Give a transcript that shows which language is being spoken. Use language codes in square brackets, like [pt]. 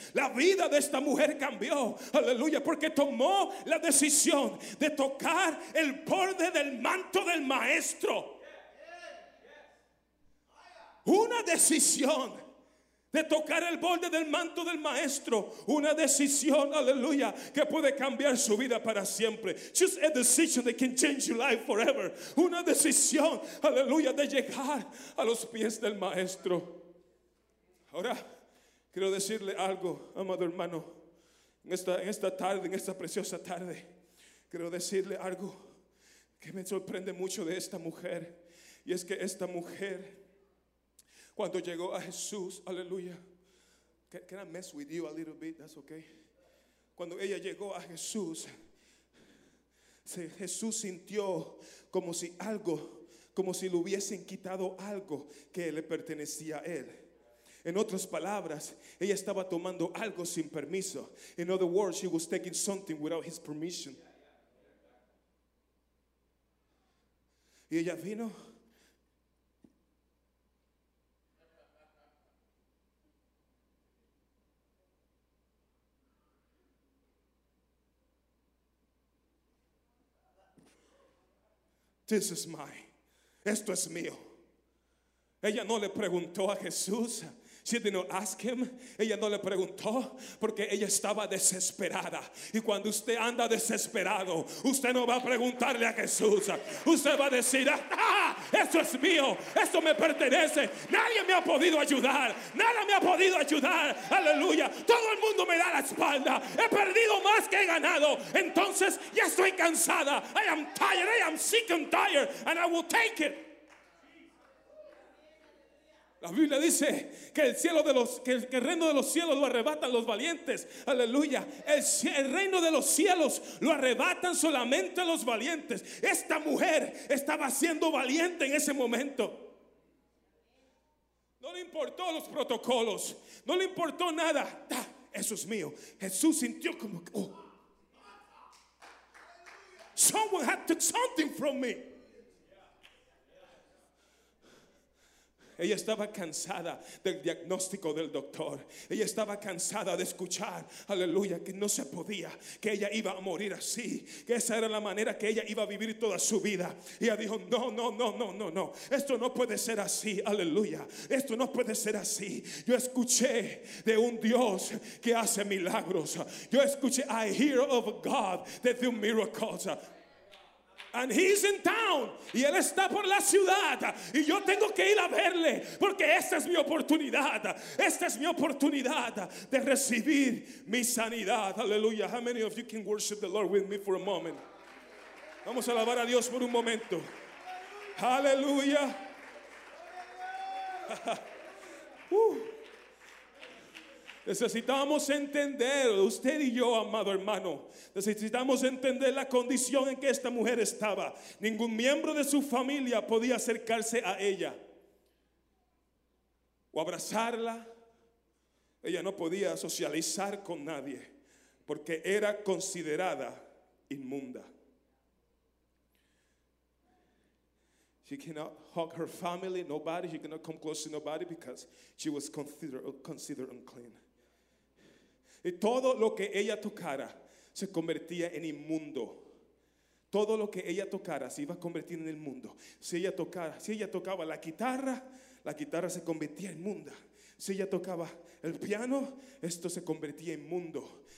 [es] La vida de esta mujer cambió, aleluya, porque tomó la decisión de tocar el borde del manto del maestro. Una decisión de tocar el borde del manto del maestro, una decisión, aleluya, que puede cambiar su vida para siempre. [en] Just a decision that can change your life forever. [es] Una decisión, aleluya, de llegar a los pies del maestro. Ahora quiero decirle algo, amado hermano, en esta tarde, en esta preciosa tarde, quiero decirle algo que me sorprende mucho de esta mujer, y es que esta mujer, cuando llegó a Jesús, aleluya, [en] can I mess with you a little bit? That's okay. [es] Cuando ella llegó a Jesús, Jesús sintió como si algo, como si le hubiesen quitado algo que le pertenecía a él. En otras palabras, ella estaba tomando algo sin permiso. [en] In other words, she was taking something without his permission. [es] Y ella vino. [en] This is mine. [es] Esto es mío. Ella no le preguntó a Jesús. [en] She did not ask him. [es] Ella no le preguntó porque ella estaba desesperada. Y cuando usted anda desesperado, usted no va a preguntarle a Jesús. Usted va a decir, esto es mío, esto me pertenece. Nadie me ha podido ayudar. Nada me ha podido ayudar. Aleluya. Todo el mundo me da la espalda. He perdido más que he ganado. Entonces ya estoy cansada. [en] I am tired. I am sick and tired. And I will take it. [es] La Biblia dice que el reino de los cielos lo arrebatan los valientes. Aleluya. El reino de los cielos lo arrebatan solamente los valientes. Esta mujer estaba siendo valiente en ese momento. No le importó los protocolos. No le importó nada. Eso es mío. Jesús sintió como que, [en] someone had took something from me. [es] Ella estaba cansada del diagnóstico del doctor. Ella estaba cansada de escuchar, aleluya, que no se podía, que ella iba a morir así, que esa era la manera que ella iba a vivir toda su vida. Ella dijo, no, esto no puede ser así, aleluya, esto no puede ser así. Yo escuché de un Dios que hace milagros. Yo escuché, [en] I hear of God that do miracles. And he's in town. [es] Y él está por la ciudad. Y yo tengo que ir a verle. Porque esta es mi oportunidad. Esta es mi oportunidad de recibir mi sanidad. Aleluya. [en] How many of you can worship the Lord with me for a moment? [es] Vamos a alabar a Dios por un momento. Aleluya. Necesitamos entender, usted y yo, amado hermano, necesitamos entender la condición en que esta mujer estaba. Ningún miembro de su familia podía acercarse a ella o abrazarla. Ella no podía socializar con nadie porque era considerada inmunda. [en] She cannot hug her family, nobody. She cannot come close to nobody because she was considered unclean. [es] Y todo lo que ella tocara se convertía en inmundo. Todo lo que ella tocara se iba a convertir en inmundo. Si ella tocaba la guitarra se convertía en inmunda. Si ella tocaba el piano, esto se convertía en inmundo.